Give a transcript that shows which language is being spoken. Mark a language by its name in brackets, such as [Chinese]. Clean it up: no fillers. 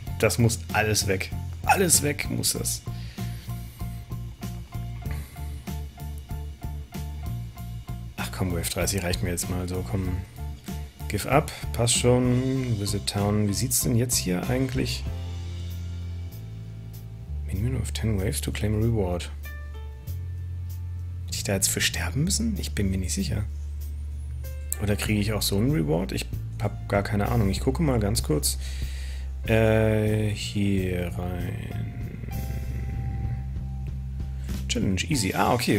[German] Das muss alles weg. Alles weg muss das. Ach komm, Wave 30 reicht mir jetzt mal so. Komm. [English] Give up, [German] passt schon. Visit Town. Wie sieht's denn jetzt hier eigentlich? [English] Minimum of 10 Waves to claim a reward. [German] Hätte ich da jetzt für sterben müssen? Ich bin mir nicht sicher. Oder kriege ich auch so einen Reward? Ich habe gar keine Ahnung. Ich gucke mal ganz kurz. Hier rein. [English] Challenge, easy. Ah, okay.